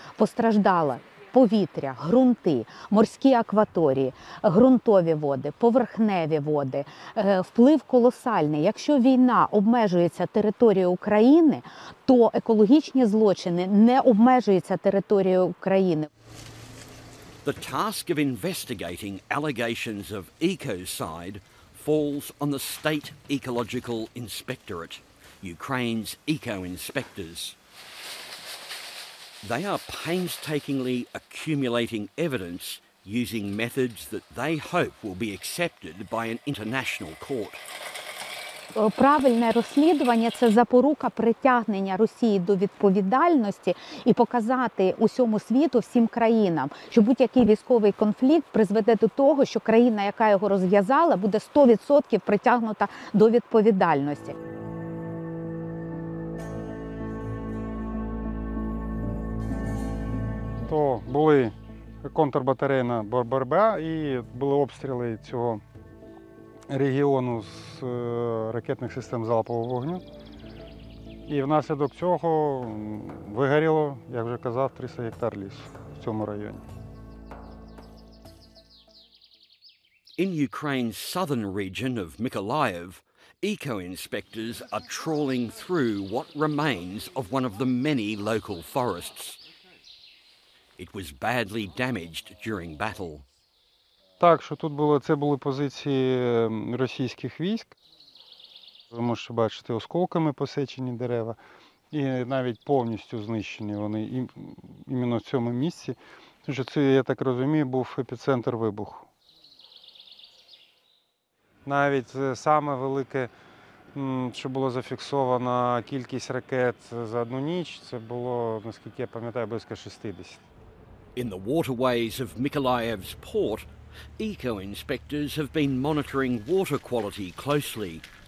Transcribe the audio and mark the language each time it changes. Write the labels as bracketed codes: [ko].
[uk] Постраждала повітря, ґрунти, морські акваторії, ґрунтові води, поверхневі води. Вплив колосальний. Якщо війна обмежується територією України, то екологічні злочини не обмежуються територією України. [en] The task of investigating allegations of ecocide falls on the State Ecological Inspectorate, Ukraine's eco-inspectors. They are painstakingly accumulating evidence using methods that they hope will be accepted by an international court. [uk] Правильне розслідування – це запорука притягнення Росії до відповідальності і показати усьому світу, всім країнам, що будь-який військовий конфлікт призведе до того, що країна, яка його розв'язала, буде 100% притягнута до відповідальності. То були контрбатарейна боротьба і були обстріли цього регіону з ракетних систем залпового вогню. І внаслідок цього вигоріло, як вже казав, 300 гектар лісу в цьому районі. [en] In Ukraine's southern region of Mykolaiv, eco-inspectors are trawling through what remains of one of the many local forests. It was badly damaged during battle. [uk] Так, що тут було, це були позиції російських військ. Ви можете бачити, осколками посечені дерева і навіть повністю знищені вони іменно в цьому місці. Тому що це, я так розумію, був епіцентр вибуху. Навіть саме велике, що було зафіксовано кількість ракет за одну ніч, це було, наскільки я пам'ятаю, близько 60. [en] In the waterways of Mykolaiv's port, eco-inspectors have been monitoring water quality closely.